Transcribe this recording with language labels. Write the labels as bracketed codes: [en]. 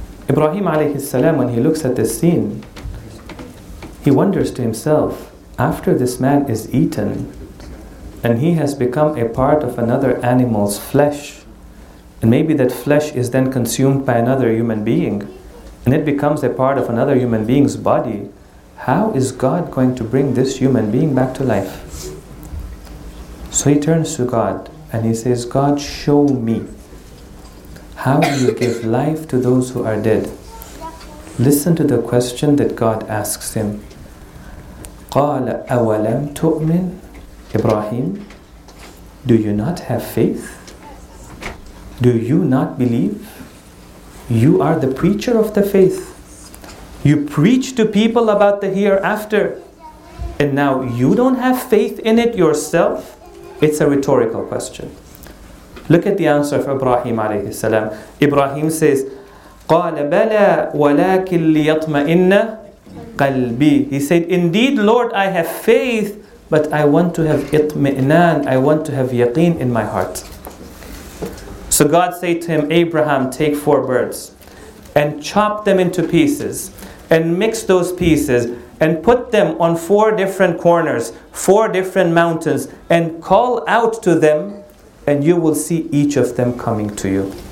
[en] Ibrahim alayhi salam, when he looks at this scene, he wonders to himself, after this man is eaten, and he has become a part of another animal's flesh, and maybe that flesh is then consumed by another human being, and it becomes a part of another human being's body, how is God going to bring this human being back to life? So he turns to God, and he says, God, show me, how do you give life to those who are dead? Listen to the question that God asks him. [ar] قَالَ أَوَلَمْ تُؤْمِنْ Ibrahim, [en] Do you not have faith? Do you not believe? You are the preacher of the faith. You preach to people about the hereafter, and now you don't have faith in it yourself? It's a rhetorical question. Look at the answer of Ibrahim alayhi salam. Ibrahim says, [ar] قَالَ بَلَى وَلَكِنْ لِيَطْمَئِنَّ قَلْبِي. [en] He said, indeed, Lord, I have faith, but I want to have itmi'nan, I want to have yaqeen in my heart. So God said to him, Abraham, take 4 birds and chop them into pieces and mix those pieces and put them on 4 different corners, 4 different mountains, and call out to them, and you will see each of them coming to you.